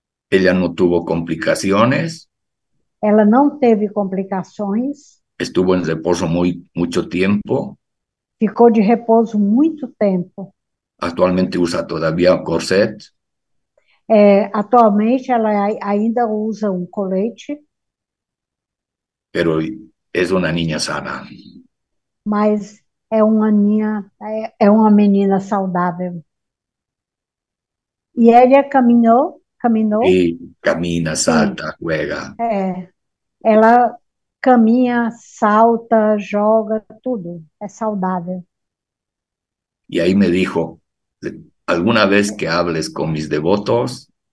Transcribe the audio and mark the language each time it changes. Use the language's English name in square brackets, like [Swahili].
[Spanish] Ella no tuvo complicaciones. [Portuguese] Ela não teve complicações, [Spanish] Estuvo en reposo mucho tiempo. [Portuguese] ficou de repouso muito tempo. [Spanish] Actualmente usa todavía corset. [Portuguese] Atualmente ela ainda usa um colete, [Spanish] Pero es una niña sana. [Portuguese] mas é uma menina saudável. E ela caminhou, [Spanish] E camina, [Portuguese] sim. [Spanish] salta, juega. [Portuguese] Ela caminha, salta, joga, tudo. É saudável. E aí [Spanish] me dijo, alguna vez que hables con mis devotos,